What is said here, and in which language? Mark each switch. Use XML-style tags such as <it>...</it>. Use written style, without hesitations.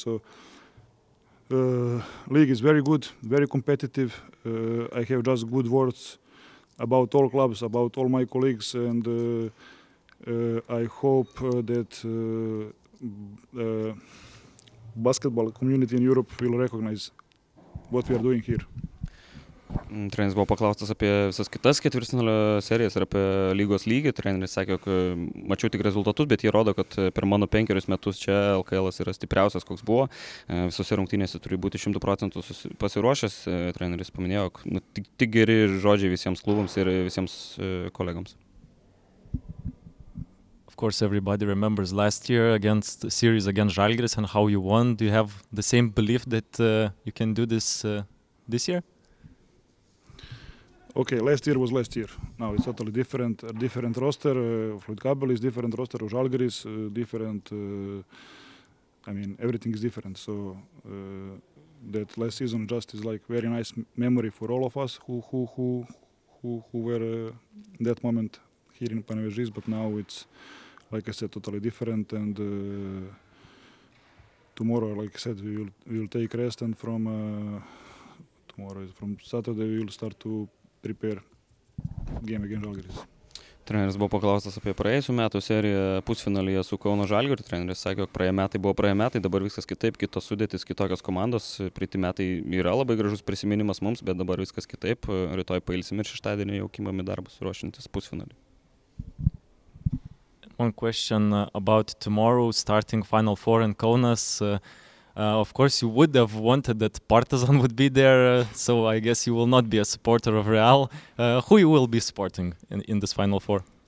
<en>So, league is very good, very competitive. I have just good words about all clubs, about all my colleagues, and I hope that basketball community in Europe will recognize what we are doing here.</en> <lt>Treneris buvo paklaustas apie visas kitas ketvirtfinalio serijas ir apie lygos lygį. Treneris sakė, jog mačiau tik rezultatus, bet jie rodo, kad per mano 5 metus čia LKL-as yra stipriausias, koks buvo. Visose rungtynėse turi būti 100% pasiruošęs. Treneris paminėjo, jog tik geri žodžiai visiems klubams ir visiems kolegams.</lt> <en>Of course, everybody remembers last year against the series against Žalgiris and how you won. Do you have the same belief that you can do this this year? Okay, last year was last year. Now it's totally different. A different roster. Fluid Kabel is different roster. Of Žalgiris, different. I mean, everything is different. So that last season just is like very nice memory for all of us who were that moment here in Panevėžys. But now it's, like I said, totally different. And tomorrow, like I said, we will take rest. And from tomorrow, from Saturday, we will start to prepare game against Žalgiris.</en> <lt>Treneris buvo paklaustas apie praėjusių metų seriją pusfinalyje su Kauno Žalgiriu. Treneris sakė, jog praėję metai buvo praėję metai, dabar viskas kitaip, kitos sudėtis, kitokios komandos. Praeiti metai yra labai gražus prisiminimas mums, bet dabar viskas kitaip. Rytoj pailsim ir šeštadienį jau kimbam į darbus ruošintis pusfinalį.</lt> <en>One question about tomorrow, starting Final Four in Kaunas. Of course, you would have wanted that Partizan would be there, so I guess you will not be a supporter of Real. Who you will be supporting in this Final Four?</en>